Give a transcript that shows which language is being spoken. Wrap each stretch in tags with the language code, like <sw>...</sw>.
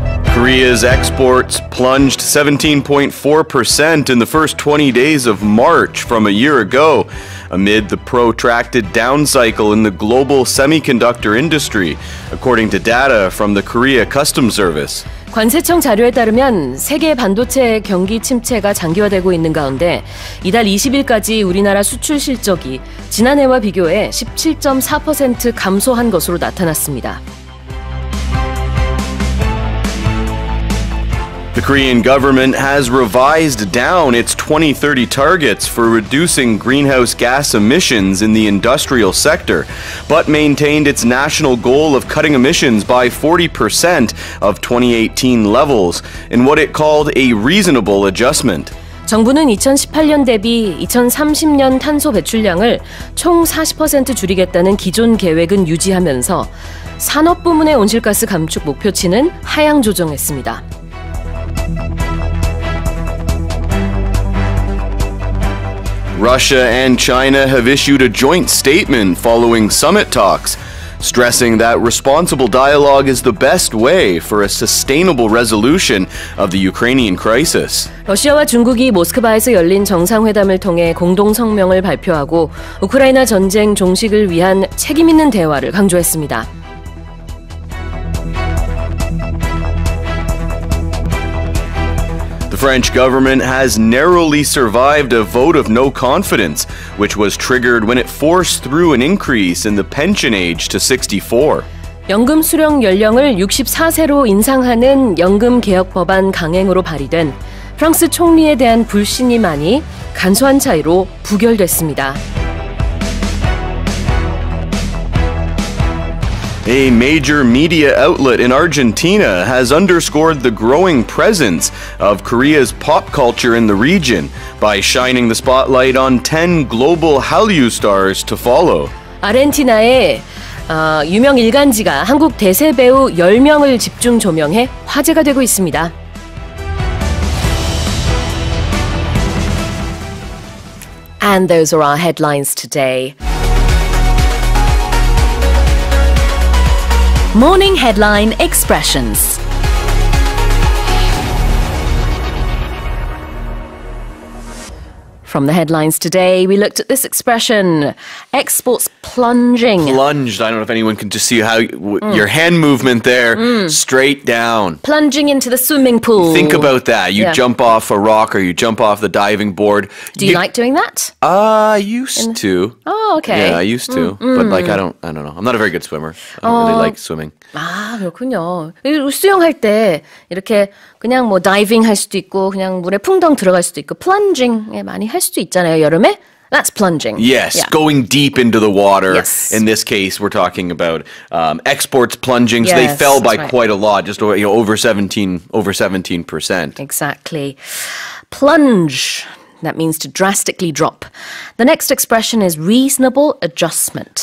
<en>코리아's exports plunged 17.4% in the first 20 days of March from a year ago amid the protracted down cycle in the global semiconductor industry, according to data from the Korea Customs Service.</en> <ko>관세청 자료에 따르면 세계 반도체 경기 침체가 장기화되고 있는 가운데 이달 20일까지 우리나라 수출 실적이 지난해와 비교해 17.4% 감소한 것으로 나타났습니다.</ko> <en>The Korean government has revised down its 2030 targets for reducing greenhouse gas emissions in the industrial sector, but maintained its national goal of cutting emissions by 40% of 2018 levels in what it called a reasonable adjustment.</en> <ko>정부는 2018년 대비 2030년 탄소 배출량을 총 40% 줄이겠다는 기존 계획은 유지하면서 산업 부문의 온실가스 감축 목표치는 하향 조정했습니다.</ko> <en>Russia and China have issued a joint statement following summit talks, stressing that responsible dialogue is the best way for a sustainable resolution of the Ukrainian crisis.</en> <ko>러시아와 중국이 모스크바에서 열린 정상회담을 통해 공동 성명을 발표하고 우크라이나 전쟁 종식을 위한 책임 있는 대화를 강조했습니다.</ko> <en>French government has narrowly survived a vote of no confidence, which was triggered when it forced through an increase in the pension age to 64.</en> <ko>연금 수령 연령을 64세로 인상하는 연금 개혁 법안 강행으로 발의된 프랑스 총리에 대한 불신임안이 간소한 차이로 부결됐습니다.</ko> <en>A major media outlet in Argentina has underscored the growing presence of Korea's pop culture in the region by shining the spotlight on 10 global Hallyu stars to follow.</en> <ko>아르헨티나의 유명 일간지가 한국 대세 배우 10명을 집중 조명해 화제가 되고 있습니다.</ko> <en>And those are our headlines today. Morning Headline Expressions. From the headlines today, we looked at this expression, exports plunging. Plunged. I don't know if anyone can just see how your hand movement there, straight down. Plunging into the swimming pool. Think about that. You jump off a rock or you jump off the diving board. Do you like doing that? I used to. Oh, okay. Yeah, I used to. Mm. But like, I don't know. I'm not a very good swimmer. I don't really like swimming.</en> <ko>아, 그렇군요. 수영할 때 이렇게 그냥 뭐 다이빙 할 수도 있고 그냥 물에 풍덩 들어갈 수도 있고 plunging 많이 할 수도 있잖아요, 여름에.</ko> <en>That's plunging. Yes, yeah. Going deep into the water. Yes. In this case, we're talking about exports plunging. Yes, so they fell by quite a lot, just over 17%. Exactly. Plunge. That means to drastically drop. The next expression is reasonable adjustment.</en>